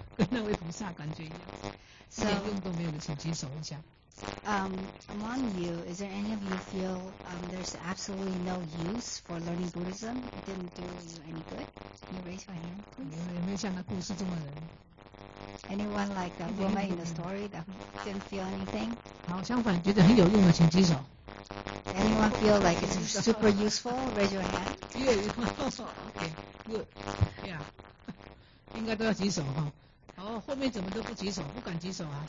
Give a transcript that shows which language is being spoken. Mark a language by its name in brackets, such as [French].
[Chinese] 那位菩萨感觉一点用都没有的，请举手一下。 [English] Among you, is there any of you feel there's absolutely no use for learning Buddhism, it didn't do you any good? Can you raise your hand, please? [Chinese] 有没有像那故事中的人? [English] Anyone like the woman in the story that didn't feel anything? [Chinese] 好，相反觉得很有用的，请举手。 [English] Anyone feel like it's super useful? Raise your hand. Okay, good. Yeah. [Chinese] 应该都要举手哈。哦，后面怎么都不举手，不敢举手啊。